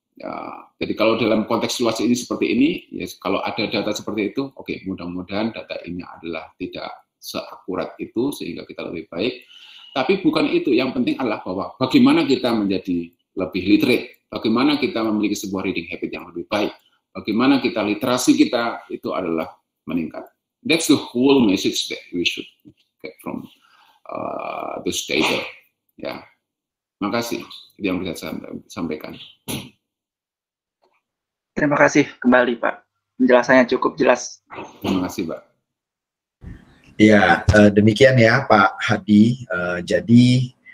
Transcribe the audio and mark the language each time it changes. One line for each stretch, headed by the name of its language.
Indonesian: Ya, jadi kalau dalam konteks luas ini seperti ini, ya, kalau ada data seperti itu, oke, okay, mudah-mudahan data ini adalah tidak seakurat itu sehingga kita lebih baik. Tapi bukan itu, yang penting adalah bahwa bagaimana kita menjadi lebih literate, bagaimana kita memiliki sebuah reading habit yang lebih baik, bagaimana kita literasi kita itu adalah meningkat.
English: That's the whole message that we should get from this data.
Indonesian: Ya, makasih yang bisa sampaikan. Terima kasih kembali, Pak. Penjelasannya cukup jelas. Terima kasih, Pak. Ya, demikian ya, Pak Hadi. Jadi,